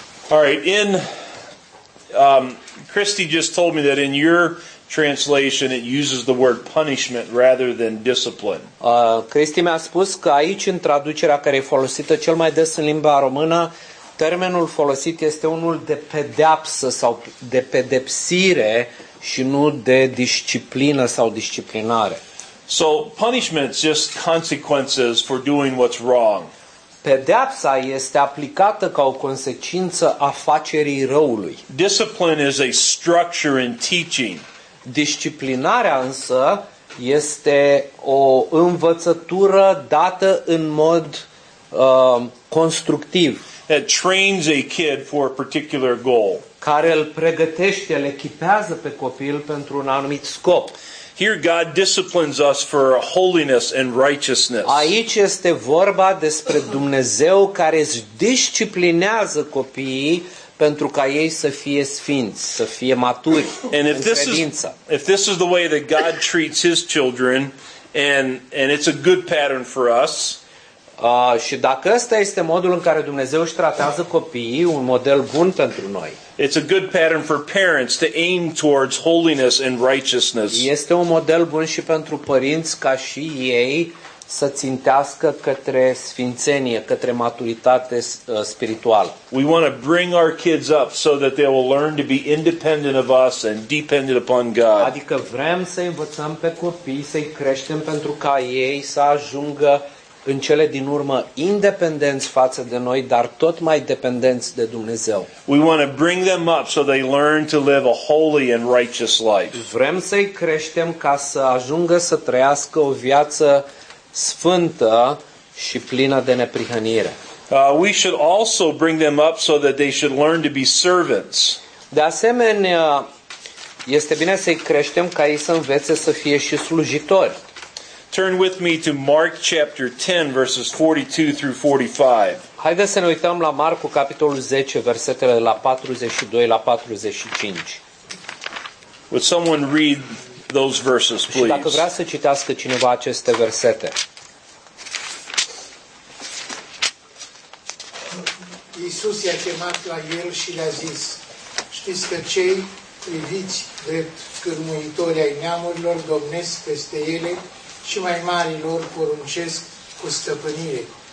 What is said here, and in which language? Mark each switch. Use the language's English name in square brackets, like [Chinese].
[English] All right, in Christy just told me that in your translation it uses the word punishment rather than discipline. [Romanian] Christy mi-a spus că aici în traducerea care e folosită cel mai des în limba română, termenul folosit este unul de pedeapsă sau de pedepsire și nu de disciplină sau disciplinare. [English] So, punishment's just consequences for doing what's wrong. [Romanian] Pedeapsa este aplicată ca o consecință a facerii răului. [English] Discipline is a structure in teaching. [Romanian] Disciplinarea însă este o învățătură dată în mod constructiv. [English] It trains a kid for a particular goal. [Romanian] care îl pregătește, îl echipează pe copil pentru un anumit scop. [English] Here God disciplines us for holiness and righteousness. [Romanian] Aici este vorba despre Dumnezeu care își disciplinează copiii pentru ca ei să fie sfinți, să fie maturi în credință. [English] If this is the way that God treats his children and it's a good pattern for us. [Romanian] Și dacă ăsta este modul în care Dumnezeu își tratează copiii, un model bun pentru noi. [English] It's a good pattern for parents to aim towards holiness and righteousness. [Romanian] Este un model bun și pentru părinți ca și ei să țintească către sfințenie, către maturitate spirituală. [English] We want to bring our kids up so that they will learn to be independent of us and dependent upon God. [Romanian] Adică vrem să învățăm pe copii, să-i creștem pentru ca ei să ajungă în cele din urmă independenți față de noi, dar tot mai dependenți de Dumnezeu. [English] We want to bring them up so they learn to live a holy and righteous life. [Romanian] Vrem să-i creștem ca să ajungă să trăiască o viață sfântă și plină de neprihănire. [English] We should also bring them up so that they should learn to be servants. [Romanian] De asemenea, este bine să-i creștem ca ei să învețe să fie și slujitori. [English] Turn with me to Mark chapter 10 verses 42 through 45. [Romanian] Haideți să ne uităm la Marcu capitolul 10 versetele de la 42 la 45. [English] Would someone read those verses, please? [Romanian] Și dacă vrea să citească cineva aceste versete. Iisus i-a chemat la el și le-a zis: știți că cei priviți drept cârmuitori ai neamurilor domnesc peste ele și mai mari lor poruncesc cu stăpânire.